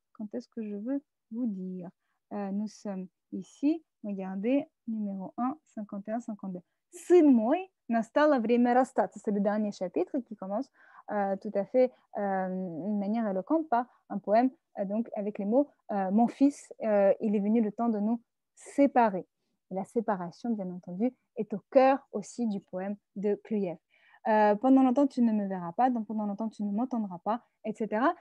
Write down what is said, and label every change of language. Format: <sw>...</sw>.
<fr>Quand est-ce que je veux vous dire nous sommes ici, regardez, numéro 1, 51-52.</fr> <ru>Сын мой, настало время расстаться.</ru> <fr>C'est le dernier chapitre qui commence tout à fait d'une manière éloquente par un poème donc avec les mots « Mon fils, il est venu le temps de nous séparer ». La séparation, bien entendu, est au cœur aussi du poème de Kluyev. Pendant longtemps, tu ne me verras pas, donc pendant longtemps, tu ne m'entendras pas, etc.</fr>